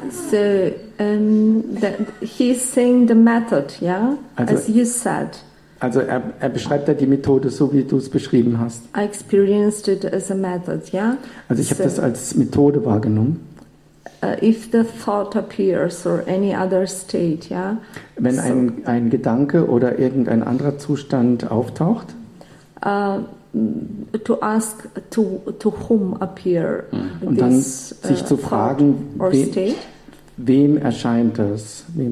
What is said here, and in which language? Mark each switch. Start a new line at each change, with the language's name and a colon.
English: So, he's saying the method, yeah?
German: Also,
English: as you said.
German: Also er beschreibt ja die Methode, so wie du es beschrieben hast.
English: I experienced it as a method, yeah?
German: Also ich habe das als Methode wahrgenommen.
English: If the thought appears or any other state, yeah?
German: Wenn ein Gedanke oder irgendein anderer Zustand auftaucht.
English: To ask to whom appear
German: Und dann sich zu fragen, wem erscheint das?